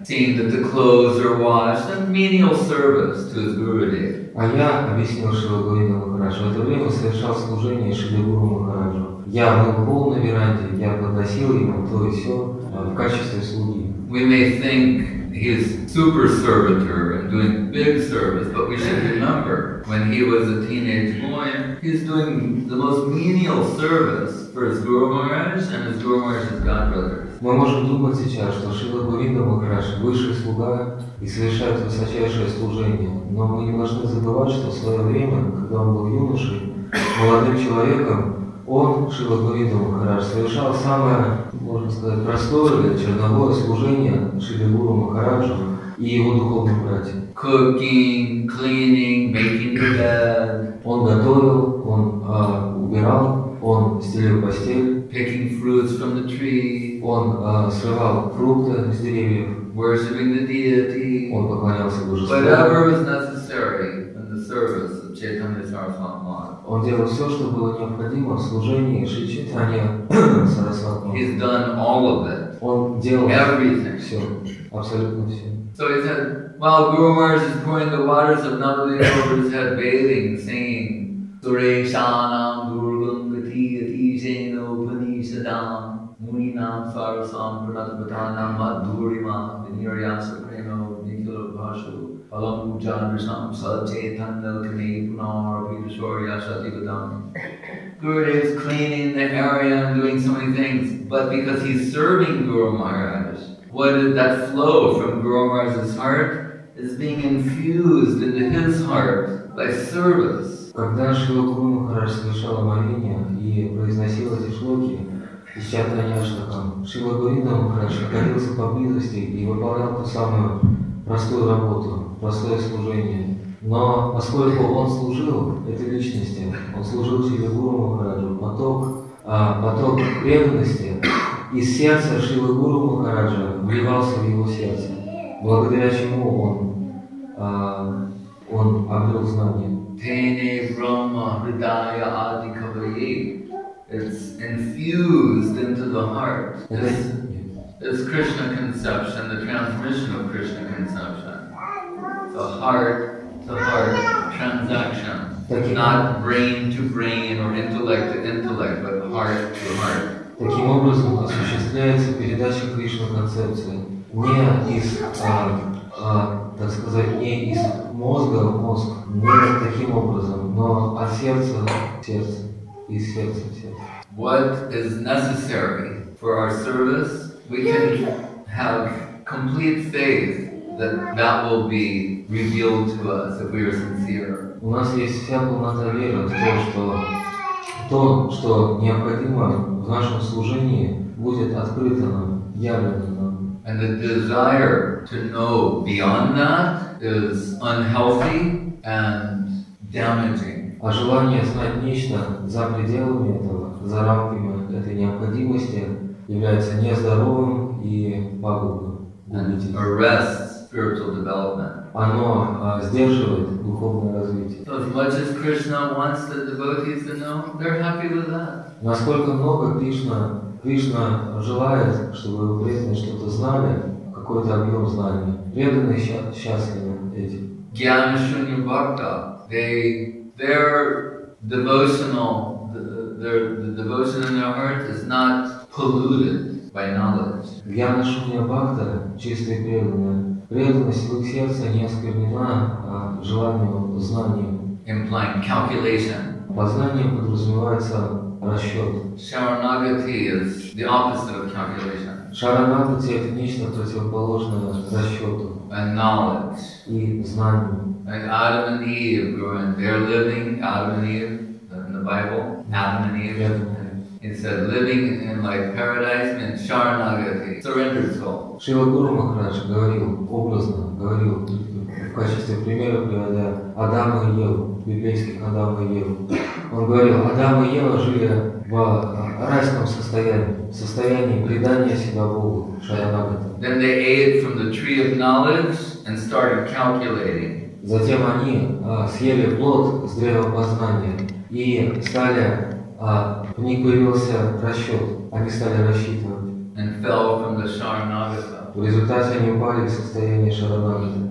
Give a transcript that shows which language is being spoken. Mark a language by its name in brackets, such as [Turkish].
[English] Seeing that the clothes are washed, a menial service to his Gurudev. [Russian] А я объяснил Шрила Гурина Махараджу. В это время совершал служение Шрила Гуру Махараджу. Я был пол на веранде, я подносил ему то и все в качестве слуги. [English] We may think he's super servitor and doing big service, but we should remember when he was a teenage boy, he's doing the most menial service for his Guru Maharaj and his Guru Maharaj's godbrother. [Russian] Мы можем думать сейчас, что Шрила Говинда Махарадж – высший слуга и совершает высочайшее служение. Но мы не должны забывать, что в свое время, когда он был юношей, молодым человеком, он, Шрила Говинда Махарадж, совершал самое, можно сказать, простое или черновое служение Шрила Гуру Махараджу и его духовным братьям. [English] Cooking, cleaning, making the bed. [Russian] Он готовил, он убирал, он стелил постель. [English] Picking fruits from the tree. [Russian] Он срывал фрукты с деревьев. [English] Worshipping the deity. [Russian] Он поклонялся божеству. [English] Whatever was necessary in the service of Chaitanya Sarasvati. [Russian] Он делал все, что было необходимо в служении Шри Чайтанья Сарасвати. [English] He's done all of it. [Russian] Он делал [English] everything. [Russian] Все, абсолютно все. [English] So he said, while Guru Maharaj is pouring the waters of Navadvipa over his head, bathing, singing, [Sanskrit] Sureshanam Durgangati Atijeno Upanishadam. Muninam Sarasam Pranatapatanam Madhurimam Vinyaryasa Premo Nikhil Bhashu Alam Ujjanrisham Sadchetan Nelkane Punar Pitashwarya Shatipadam. [English] Gurudev is cleaning the area and doing so many things, but because he's serving Guru Maharaj, what did that flow from Guru Maharaj's heart is being infused into his heart by service. [Russian] Когда Шрила Гуру Махарадж совершал омовение и произносил эти шлоки, из Чайтанья Астакама, Шрила Говинда Махарадж находился поблизости и выполнял ту самую простую работу, простое служение. Но поскольку он служил этой личности, он служил Шрила Гуру Махараджу, поток преданности из сердца Шрила Гуру Махараджа вливался в его сердце, благодаря чему он обрел знание. [Sanskrit] Тене Брахма Хридая Ади Кавайи. [English] It's infused into the heart. It's Krishna conception, the transmission of Krishna conception. The heart-to-heart transaction. Not brain-to-brain or intellect-to-intellect, but heart-to-heart. [Russian] Таким образом осуществляется передача Кришна концепции не из, так сказать, не из мозга в мозг, не таким образом, но от сердца в сердце, из сердца в сердце. [English] What is necessary for our service, we can have complete faith that that will be revealed to us if we are sincere. [Russian] У нас есть вся полнота веры в то, что необходимо в нашем служении будет открыто нам, явлено нам. [English] And the desire to know beyond that is unhealthy and damaging. [Russian] А желание знать нечто за пределами этого, за рамками этой необходимости, является нездоровым и пагубным. [English] Arrests spiritual development. [Russian] Оно сдерживает духовное развитие. [English] So as much as Krishna wants the devotees to know, they're happy with that. [Russian] Насколько много Кришна желает, чтобы его преданные что-то знали, какой-то объем знаний, преданные счастливы этим. [English] Gyana Shunya Bhakta, their devotional, the devotion in their heart is not polluted by knowledge. [Russian] Гьяна Шунья Бхакта, чистая преданная, преданность в их сердце не осквернена желанием, знанием. [English] Implying calculation. [Russian] Под знанием подразумевается расчет. [English] Sharanagati is the opposite of calculation. [Russian] Шаранагати – это нечто противоположное расчету. [English] And knowledge. [Russian] И знанию. [English] Like Adam and Eve, they're living, Adam and Eve, in the Bible, Adam and Eve, Instead of living in like paradise and Sharanagati, surrender soul. [Russian] Шрила Гуру Махарадж говорил образно, говорил в качестве примера, приводя Адама и Еву, библейских Адама и Еву. Он говорил, Адам и Ева жили в райском состоянии, в состоянии предания себя Богу, Шаранагата. [English] Then they ate from the tree of knowledge and started calculating. [Russian] Затем они съели плод с древа познания и стали, в них появился расчет, они стали рассчитывать. [English] And fell from the Sharanagata. [Russian] В результате они упали в состояние Шаранагата.